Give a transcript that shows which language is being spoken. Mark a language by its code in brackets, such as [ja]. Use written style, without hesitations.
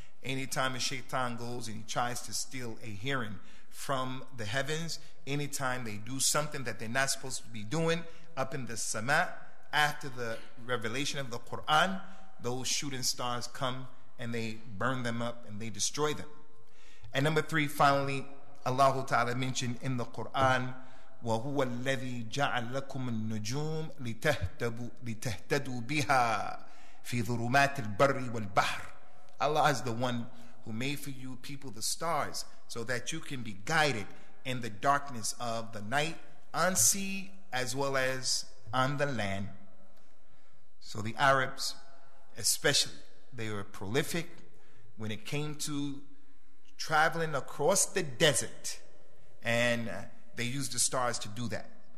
[en] Anytime a shaitan goes and he tries to steal a hearing from the heavens, anytime they do something that they're not supposed to be doing up in the sama, after the revelation of the Quran, those shooting stars come and they burn them up and they destroy them. And number three, finally, Allah Ta'ala mentioned in the Quran, [ar] وَهُوَ الَّذِي جَعَلَ لَكُمُ النُّجُومَ لِتَهْتَدُوا بِهَا فِي ظُلُمَاتِ الْبَرِّ وَالْبَحْرِ. [en] Allah is the one who made for you people the stars so that you can be guided in the darkness of the night on sea as well as on the land. So the Arabs, especially, they were prolific when it came to traveling across the desert, and they used the stars to do that.